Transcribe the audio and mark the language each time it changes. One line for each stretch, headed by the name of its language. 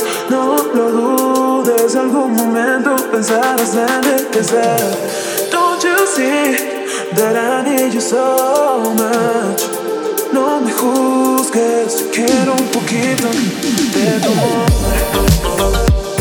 Spanish: No lo dudes, algún momento pensarás en regresar.
English: Don't you see that I need you so much?
Spanish: No me juzgues, yo quiero un poquito de tu amor.